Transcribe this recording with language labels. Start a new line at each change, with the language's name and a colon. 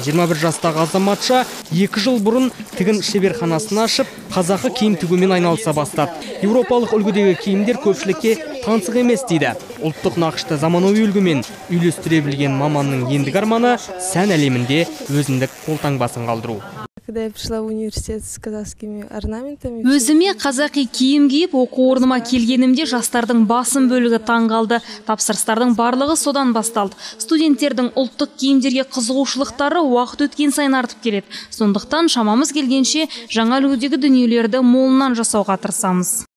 Kazakh: 21 жастағы азаматша 2 жыл бұрын тігін шеберханасын ашып, қазақы киім тігумен айналыса бастады. Еуропалық үлгідегі киімдер көпшілікке таңсық емес дейді. Ұлттық нақышты заманауи үлгімен үйлестіре білген маманның ендігі арманы сән әлемінде өзіндік қолтаңбасын қалдыру.
Russian: Когда я пришла в университет с казахскими орнаментами.
Kazakh: Өзіме қазақи киім киіп оқу орныма келгенімде жастардың басым бөлігі таң қалды. Тапсырыстардың барлығы содан басталды. Студенттердің ұлттық киімдерге қызығушылықтары уақыт өткен сайын артып келеді. Сондықтан шамамыз келгенше жаңа үлгідегі дүниелерді молынан жасауға тырысамыз.